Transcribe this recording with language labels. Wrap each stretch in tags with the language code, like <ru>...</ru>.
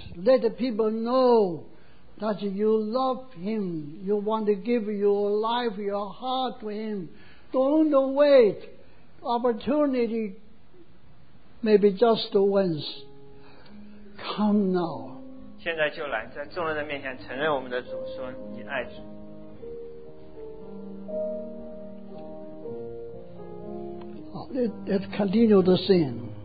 <en>Let the people know that you love Him. You want to give your life, your heart to Him. Don't wait. Opportunity may be just once. Come now.</en> <zh>现在就来，在众人的面前承认我们的主，说你爱主。</zh> <en>好， let's continue the sing.</en>